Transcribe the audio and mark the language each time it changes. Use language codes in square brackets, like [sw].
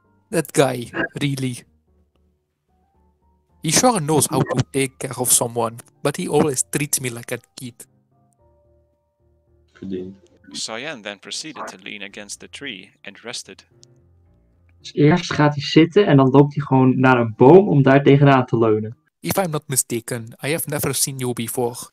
[en] That guy, really. He sure knows how to take care of someone, but he always treats me like a kid. Sayan then proceeded to lean against the tree and rested. [nl] Dus eerst gaat hij zitten en dan loopt hij gewoon naar een boom om daar tegenaan te leunen. [en] If I'm not mistaken, I have never seen you before.